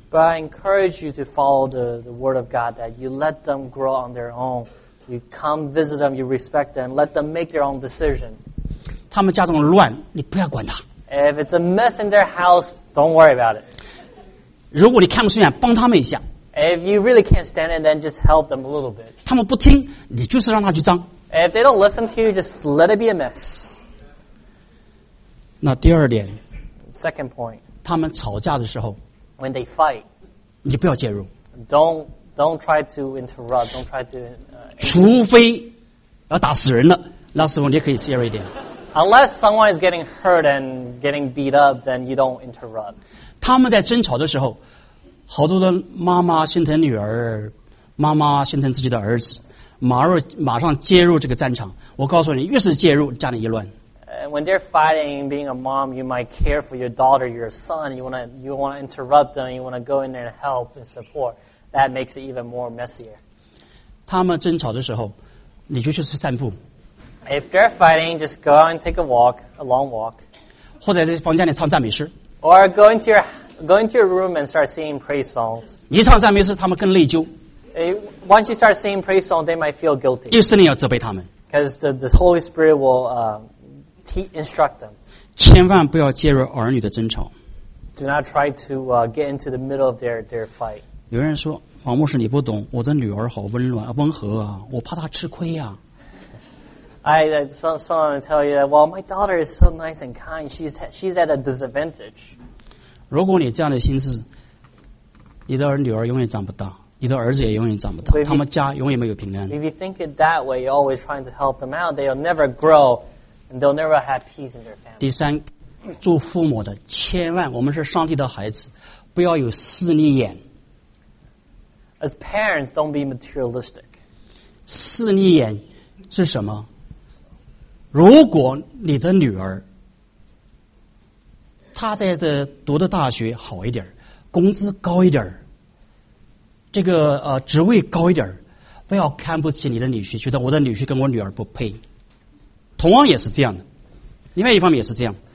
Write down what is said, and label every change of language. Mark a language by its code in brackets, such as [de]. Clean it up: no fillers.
[en] But I encourage you to follow the word of God that you let them grow on their own. You come visit them, you respect them, let them make their own decision. [zh] 他们家中乱，你不要管他。 [en] If it's a mess in their house, don't worry about it. [zh] 如果你看不顺眼，帮他们一下。 [en] If you really can't stand it, then just help them a little bit. [zh] 他们不听，你就是让他去脏。 [en] If they don't listen to you, just let it be a mess. [zh] 那第二点 [en] Second point. [zh] 他们吵架的时候 [en] When they fight. [zh] 你就不要介入 [en] Don't try to interrupt. Don't try to. [zh] 除非要打死人了那时候你可以介入一点 [en] Unless someone is getting hurt and getting beat up, then you don't interrupt. [zh] 他们在争吵的时候好多的妈妈心疼女儿妈妈心疼自己的儿子马上介入这个战场我告诉你越是介入家里一乱 [en] When they're fighting being a mom you might care for your daughter your son you want to interrupt them you want to go in there and help and support that makes it even more messier [zh] 他们争吵的时候你就去散步 [en] If they're fighting just go out and take a long walk [zh] 或者在房间里唱赞美诗 [en] or go into your room and start singing praise songs [zh] 一唱赞美诗他们更内疚 [en] Once you start singing praise song, they might feel guilty. [zh] 因为圣灵要责备他们。 [en] Because the Holy Spirit will instruct them. [zh] 千万不要介入儿女的争吵。 [en] Do not try to get into the middle of their fight. [zh] 有人说，王牧师你不懂，我的女儿好温和啊，我怕她吃亏啊。 [en] Someone tell you that, well, my daughter is so nice and kind. She's at a disadvantage. [zh] 如果你这样的心思，你的女儿永远长不大。你的儿子也永远长不大，他们家永远没有平安。 [en] If you think it that way, you're always trying to help them out. They'll never grow, and they'll never have peace in their family. [zh] 第三，做父母的千万，我们是上帝的孩子，不要有势利眼。 [en] As parents, don't be materialistic. [zh] 势利眼是什么？如果你的女儿，她在的读的大学好一点，工资高一点。这个职位高一点不要看不起你的女婿觉得我的女婿跟我女儿不配同样也是这样的另外一方面也是这样